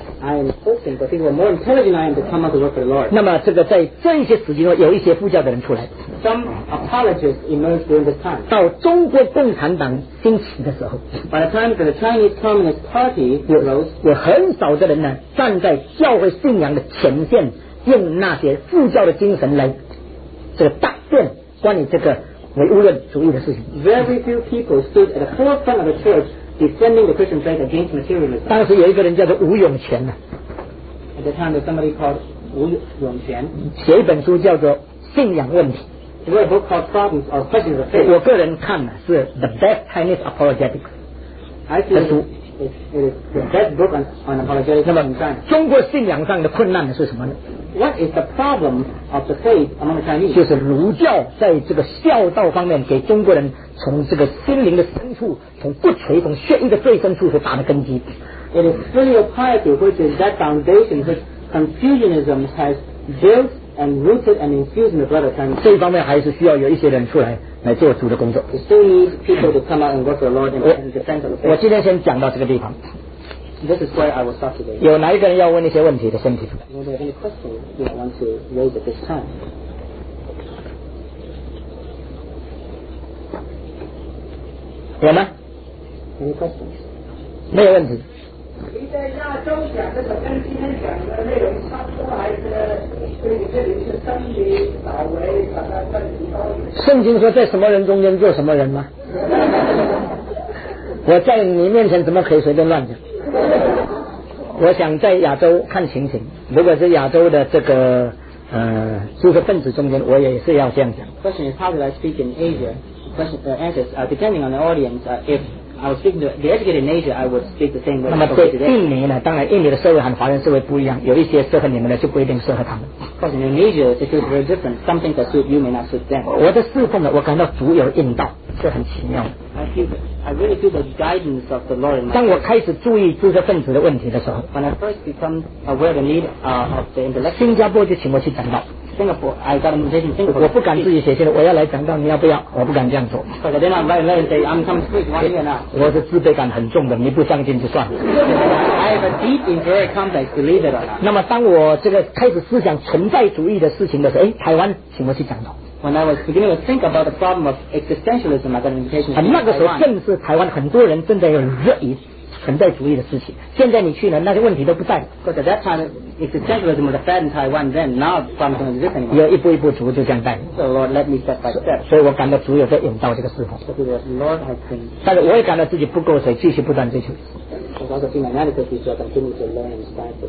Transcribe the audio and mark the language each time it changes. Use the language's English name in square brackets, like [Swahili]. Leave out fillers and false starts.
[English] I am hoping that people more intelligent than I am to come out to work for the Lord. [Chinese] 那么这个在这一些时期中，有一些副教的人出来。 [English] Some apologists emerged during this time. [Chinese] 到中国共产党兴起的时候。 [English] By the time that the Chinese Communist Party arose, [Chinese] 有很少的人呢站在教会信仰的前线，用那些副教的精神来这个大辩关于这个唯物论主义的事情。 [English] Very few people stood at the forefront of the church. Defending the Christian faith against materialism. [Chinese] 当时有一个人叫做吴永泉呢。 [English] At the time, somebody called 吴永泉 [Chinese] 写一本书叫做《信仰问题》。 [English] He wrote a book called Problems or Questions of Faith. [Chinese] 我个人看呢是 [English] The Best Chinese Apologetics. I think it is the best book on apologetics. [Chinese] 那么，中国信仰上的困难是什么呢？ [English] What is the problem of the faith among the Chinese? [Chinese] 就是儒教在这个孝道方面给中国人。从这个心灵的深处，从骨髓，从血液的最深处所打的根基。 [English] It is filial piety, which is that foundation which Confucianism has built and rooted and infused in the blood of China. [Chinese] 这方面还是需要有一些人出来做主的工作。 [English] We still need people to come out and work for the Lord and defend the faith. [Chinese] 我今天先讲到这个地方。 [English] This is where I will stop today. [Chinese] 有哪一个人要问一些问题的身体？ [English] Are there any questions you want to raise at this time? [Chinese] 有吗？没有没有问题。你在亚洲讲这个跟今天讲的内容差不多，还是对你这里是真理打围把它分离到你？圣经说在什么人中间做什么人吗？我在你面前怎么可以随便乱讲？我想在亚洲看情形，如果是亚洲的这个知识分子中间，我也是要这样讲。 [English] Question is how do I speak in Asia? Answers, depending on the audience, if I was speaking to the educated in Asia, I would speak the same way. [Chinese] 那么对印尼呢？当然，印尼的社会和华人社会不一样，有一些适合你们的，就不一定适合他们。 [English] Because in Indonesia, it is very different. Some things that suit you may not suit them. [Chinese] 我的侍奉呢，我感到主有引导，是很奇妙。 [English] I really feel the guidance of the Lord in my life. [Chinese] 当我开始注意知识分子的问题的时候 [English] ，When I first become aware of the need of the intellect, [Chinese] 新加坡就请我去讲道。 [English] Singapore, I got an invitation to Singapore. [Chinese] 我不敢自己写信，我要来讲道，你要不要？我不敢这样做。 [English] Because then I'm very late. I'm coming to speak one year now. [Chinese] 我是自卑感很重的，你不相信就算了。 [English] I have a deep interior complex, believe it or not. [Chinese] 那么当我这个开始思想存在主义的事情的时候，台湾请我去讲道。 [English] When I was beginning to think about the problem of existentialism, I got an invitation to Taiwan. [Chinese] 那个时候正是台湾很多人正在有热议存在主义的事情。现在你去了，那些问题都不在。 [English] Because at that time, existentialism was a fad in Taiwan. Then now, the problem doesn't exist anymore. [Chinese] 要一步一步逐步就这样带。 [English] So Lord, let me step by step. [Chinese] 所以我感到主有在引导这个事情。 [English] So the Lord has been. [Chinese] 但是我也感到自己不够，所以继续不断追求。 [English] Because also in my natural state, I continue to learn and strive for